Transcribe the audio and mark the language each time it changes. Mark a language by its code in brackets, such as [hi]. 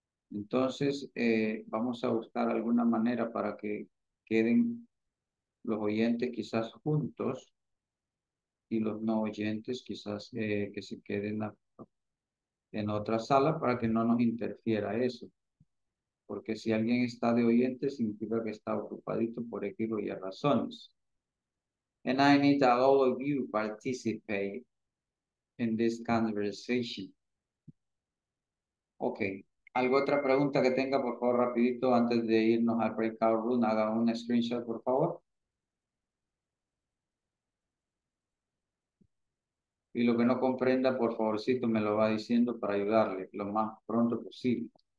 [es] Entonces, vamos a buscar alguna manera para que queden los oyentes quizás juntos y los no oyentes quizás que se queden en otra sala para que no nos interfiera eso. Porque si alguien está de oyente, significa que está ocupadito por X o Y razones. [en] And I need that all of you participate in this conversation. Okay. [es] ¿Algo otra pregunta que tenga, por favor, rapidito, antes de irnos al breakout room? Haga un screenshot, por favor. Y lo que no comprenda, por favorcito, me lo va diciendo para ayudarle lo más pronto posible.